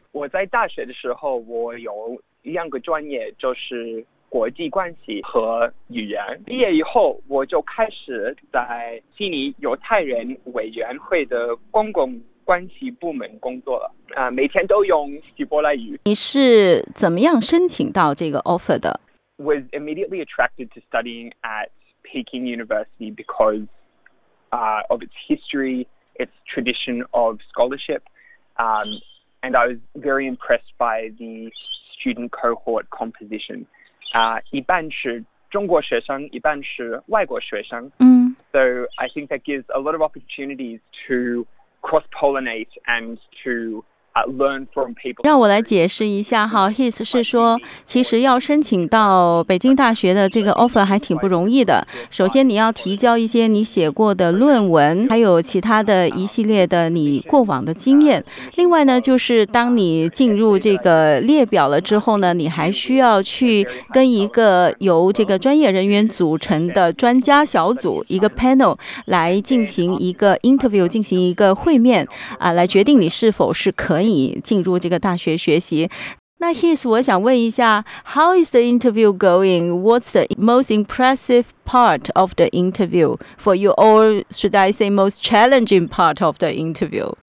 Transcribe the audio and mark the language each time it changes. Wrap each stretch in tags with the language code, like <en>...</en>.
<zh>我在大学的时候，我有两个专业，就是国际关系和语言。毕业以后，我就开始在悉尼犹太人委员会的公共关系部门工作了，每天都用希伯来语。你是怎么样申请到这个 offer 的？</zh> <en>Was immediately attracted to studying at Peking University because of its history, its tradition of scholarship, and I was very impressed by the student cohort composition.</en> <zh>一半是中国学生，一半是外国学生。</zh> <en>So I think that gives a lot of opportunities to cross-pollinate and to learn from people.</en> <zh>让我来解释一下哈 ，His 是说，其实要申请到北京大学的这个 offer 还挺不容易的。首先你要提交一些你写过的论文，还有其他的一系列的你过往的经验。另外呢，就是当你进入这个列表了之后呢，你还需要去跟一个由这个专业人员组成的专家小组，一个 panel 来进行一个 interview， 进行一个会面啊，来决定你是否是可以进入这个大学学习。那 Heath， 我想问一下 ，</zh> <en>How is the interview going? What's the most impressive part of the interview for you, or should I say most challenging part of the interview?</en>